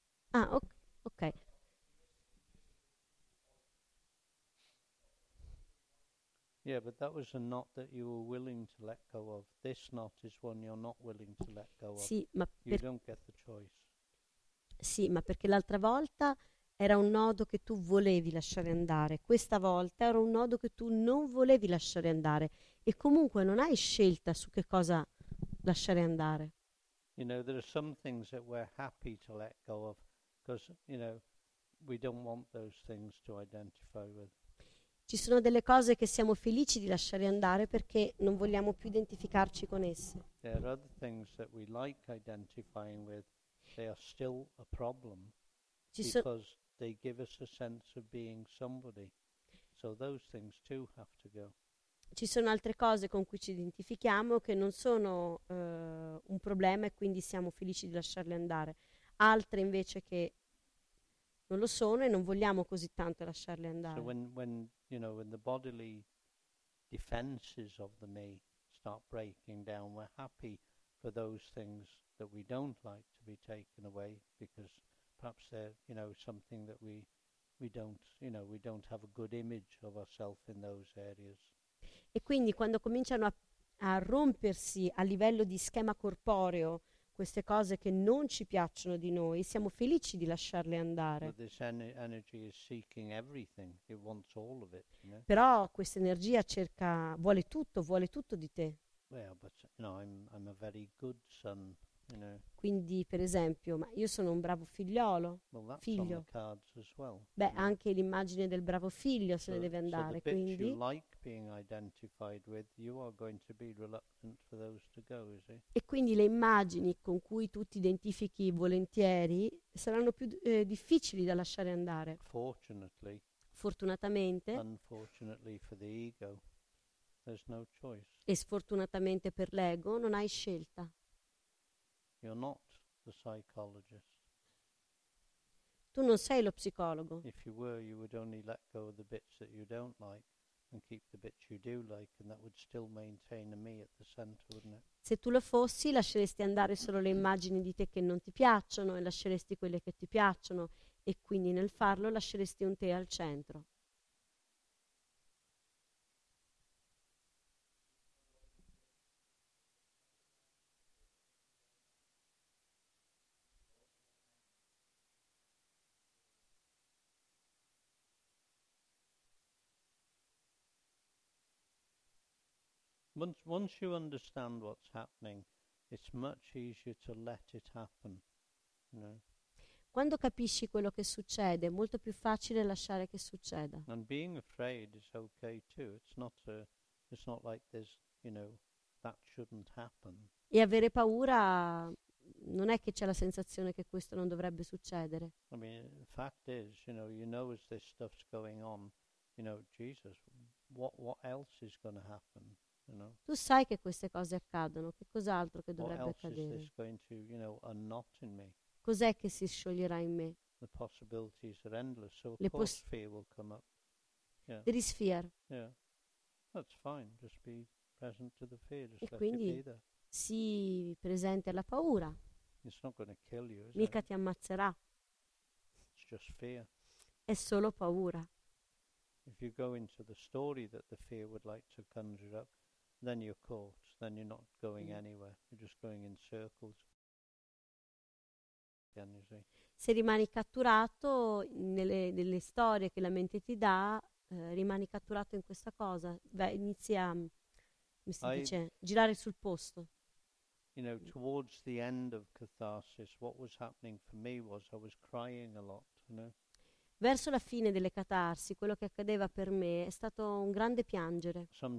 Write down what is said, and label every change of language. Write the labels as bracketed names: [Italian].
[English] Ah, ok. Yeah, but that was a knot that you were willing to let go of. This knot is one you're not willing to let go of. [Italian] Sì, ma [English] you don't get the choice. [Italian] Sì, ma perché l'altra volta era un nodo che tu volevi lasciare andare. Questa volta era un nodo che tu non volevi lasciare andare. E comunque non hai scelta su che cosa lasciare andare. [English] You know, there are some things that we're happy to let go of because, you know, we don't want those things to identify with. [Italian] Ci sono delle cose che siamo felici di lasciare andare perché non vogliamo più identificarci con esse. [English] There are other things that we like identifying with. They are still a problem because they give us a sense of being somebody. So those things too have to go. [Italian] Ci sono altre cose con cui ci identifichiamo che non sono un problema e quindi siamo felici di lasciarle andare. Altre invece che non lo sono e non vogliamo così tanto lasciarle andare. [English] So when you know, when the bodily defenses of the me start breaking down, we're happy for those things that we don't like to be taken away because perhaps they're, you know, something that we don't have a good image of ourselves in those areas. [Italian] E quindi quando cominciano a rompersi a livello di schema corporeo queste cose che non ci piacciono di noi, siamo felici di lasciarle andare. [English] But this energy is seeking everything. It wants all of it, you know? [Italian] Però questa energia cerca, vuole tutto di te. [English] Well, but, you know, I'm a very good son, you know? [Italian] Quindi, per esempio, ma io sono un bravo figliolo, [English] well, that's [Italian] figlio. [English] On the cards as well, [Italian] beh, [English] you know? [Italian] Anche l'immagine del bravo figlio se ne deve andare, [English] so the [Italian] quindi. [English] Bit you like being identified with, you are going to be reluctant for those to go, is it? [Italian] E quindi le immagini con cui tu ti identifichi volentieri saranno più difficili da lasciare andare. [English] Fortunately. [Italian] Fortunatamente. [English] Unfortunately for the ego, there's no choice. [Italian] E sfortunatamente per l'ego non hai scelta. [English] You're not the psychologist. [Italian] Tu non sei lo psicologo. [English] If you were, you would only let go of the bits that you don't like. And keep the bits you do like, and that would still maintain a me at the center, wouldn't it? [Italian] Se tu lo fossi, lasceresti andare solo le immagini di te che non ti piacciono, e lasceresti quelle che ti piacciono, e quindi nel farlo lasceresti un te al centro. [English] Once you understand what's happening, it's much easier to let it happen. You know? [Italian] Quando capisci quello che succede, è molto più facile lasciare che succeda. [English] And being afraid is okay too. It's not like there's, you know, that shouldn't happen. [Italian] E avere paura non è che c'è la sensazione che questo non dovrebbe succedere. [English] I mean, the fact is, you know as this stuff's going on, you know, Jesus, what else is going to happen? You know? [Italian] Tu sai che queste cose accadono, che cos'altro che dovrebbe accadere? [English] Is this going to, you know, a knot in me? [Italian] Cos'è che si scioglierà in me? [English] The possibilities are endless, so le of course fear will come up. Yeah. There is fear. Yeah. That's fine, just be present to the fear. Just [Italian] e quindi sii presente alla paura. [English] It's not gonna kill you, is [Italian] mica [English] it? [Italian] Ti ammazzerà. [English] It's just fear. [Italian] È solo paura. [English] If you go into the story that the fear would like to conjure up, then you're caught, then you're not going anywhere, you're just going in circles. [Italian] Se rimani catturato nelle storie che la mente ti dà, rimani catturato in questa cosa, beh, inizia, come si dice, girare sul posto. [English] You know, towards the end of catharsis, what was happening for me was I was crying a lot, you know? [Italian] verso la fine delle catarsi, quello che accadeva per me è stato un grande piangere.